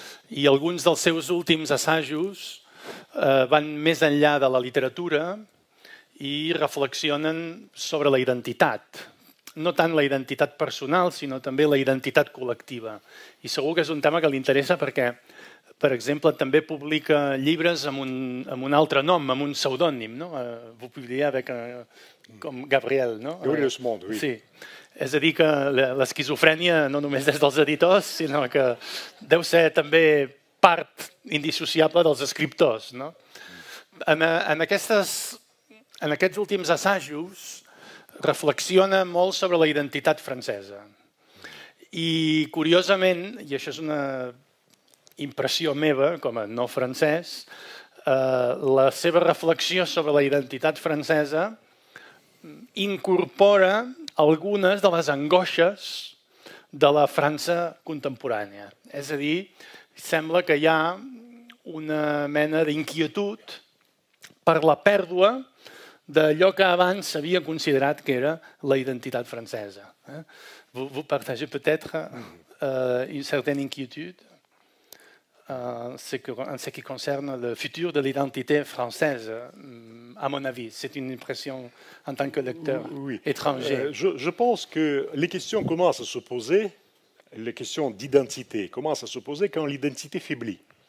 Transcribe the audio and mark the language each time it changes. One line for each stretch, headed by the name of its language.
Catalan: I alguns dels seus últims assajos van més enllà de la literatura i reflexionen sobre la identitat. No tant la identitat personal, sinó també la identitat col·lectiva. I segur que és un tema que li interessa perquè, per exemple, també publica llibres amb un altre nom, amb un pseudònim, no?
French: Vous pouvez dire avec,
Catalan: com Gabriel, no?
French: Gabriel Smond, oui.
Catalan: Sí. És a dir, que l'esquizofrènia no només és dels editors, sinó que deu ser també part indissociable dels escriptors, no? En aquests últims assajos reflexiona molt sobre la identitat francesa. I, curiosament, i això és una impressió meva com a no francès, la seva reflexió sobre la identitat francesa incorpora algunes de les angoixes de la França contemporània. És a dir, sembla que hi ha una mena d'inquietud per la pèrdua d'allò que abans s'havia considerat que era la identitat francesa.
French: Vous partagez peut-être une certaine inquiétude en ce qui concerne le futur de l'identité française, à mon avis. C'est une impression en tant que lecteur oui. Étranger. Je pense que les questions commencent à se poser, les questions d'identité commencent à se poser quand l'identité faiblit.